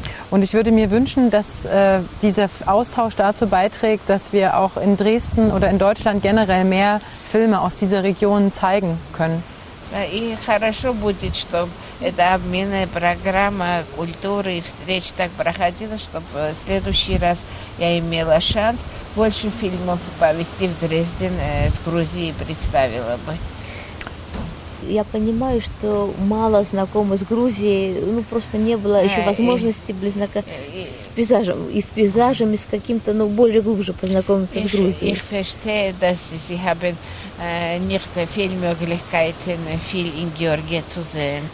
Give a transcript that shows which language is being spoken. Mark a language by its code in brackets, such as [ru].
[de] Und ich würde mir wünschen, dass dieser Austausch dazu beiträgt, dass wir auch in Dresden oder in Deutschland generell mehr Filme aus dieser Region zeigen können. [ru] И хорошо будет, чтобы эта обменная программа культуры и встреч так проходила, чтобы в следующий раз я имела шанс больше фильмов повести в Дрезден с Грузии представила бы. Я понимаю, что мало знакома с Грузией, ну просто не было еще возможности близнака с пейзажем, и с пейзажем, и с каким-то, ну более глубже познакомиться с Грузией. [de] Ich verstehe, dass Sie haben nicht viel Möglichkeiten, viel in Georgien zu sehen.